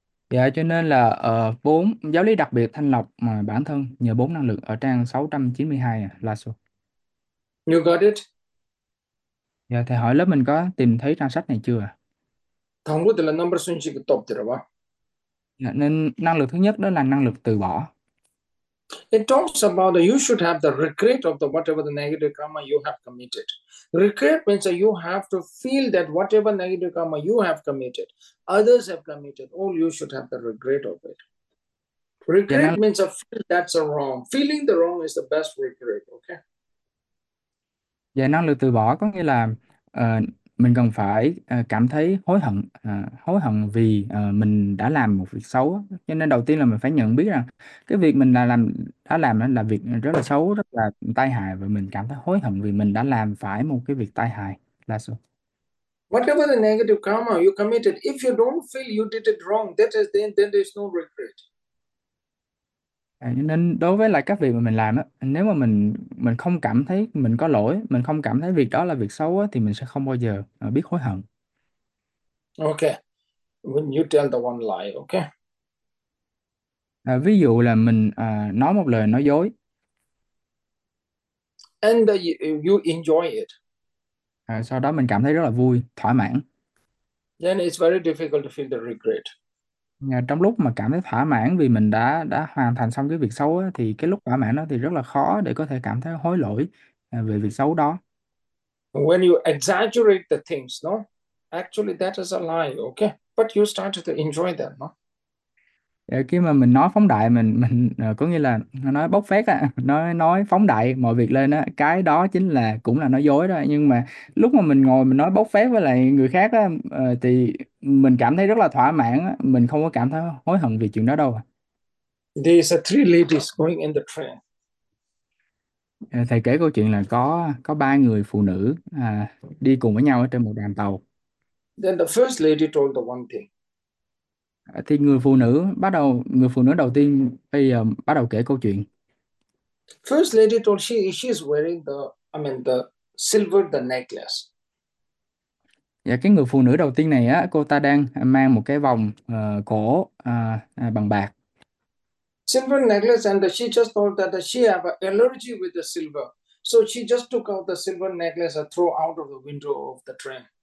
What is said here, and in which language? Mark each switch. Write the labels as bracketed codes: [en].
[vi] Dạ, cho nên là bốn giáo lý đặc biệt thanh lọc mà bản thân nhờ bốn năng lực ở trang 692 à, là số. [en] You got it? [vi] Dạ, thầy hỏi lớp mình có tìm thấy trang sách này chưa à? Thằng là number xuyên chỉ cái top rồi. Dạ, nên năng lực thứ nhất đó là năng lực từ bỏ. [en] It talks about that you should have the regret of the whatever the negative karma you have committed. Regret means that you have to feel that whatever negative karma you have committed, others have committed, all you should have the regret of it. [vi] Dạ, [en] Regret means a feel that's a wrong. Feeling the wrong is the best regret, okay? [vi] năng lực từ bỏ có nghĩa là mình cần phải cảm thấy hối hận vì mình đã làm một việc xấu. Cho nên đầu tiên là mình phải nhận biết rằng cái việc mình đã làm là việc rất là xấu, rất là tai hại, và mình cảm thấy hối hận vì mình đã làm phải một cái việc tai hại là sao. [en] Whatever the negative karma you committed, if you don't feel you did it wrong, that is then there is no regret. [vi] Nên đối với lại các việc mà mình làm á, nếu mà mình không cảm thấy mình có lỗi, mình không cảm thấy việc đó là việc xấu á, thì mình sẽ không bao giờ biết hối hận. [en] Okay. When you tell the one lie, okay? [vi] Ví dụ là mình nói một lời nói dối. [en] And you enjoy it. [vi] Sau đó mình cảm thấy rất là vui, thỏa mãn. [en] Then it's very difficult to feel the regret. [vi] Trong lúc mà cảm thấy thỏa mãn vì mình đã hoàn thành xong cái việc xấu á, thì cái lúc thỏa mãn đó thì rất là khó để có thể cảm thấy hối lỗi về việc xấu đó. [en] When you exaggerate the things, no? Actually, that is a lie, okay? But you start to enjoy them, no? [vi] Khi mà mình nói phóng đại, mình có nghĩa là nói bốc phét á, nói phóng đại mọi việc lên á, cái đó chính là cũng là nói dối đó. Nhưng mà lúc mà mình ngồi mình nói bốc phét với lại người khác á, thì mình cảm thấy rất là thỏa mãn á, mình không có cảm thấy hối hận vì chuyện đó đâu. [en] There's a three ladies going in the [vi] Thầy kể câu chuyện là có ba người phụ nữ đi cùng với nhau ở trên một đoàn tàu. [en] Then the first lady told the one thing. [vi] Thì người phụ nữ đầu tiên bây giờ bắt đầu kể câu chuyện. [en] First lady told she is wearing the silver the necklace. [vi] Dạ, cái người phụ nữ đầu tiên này á, cô ta đang mang một cái vòng cổ bằng bạc. [en] Silver necklace and she just thought that she have an allergy with the silver. So she just took out the silver necklace and throw out of the window of the train.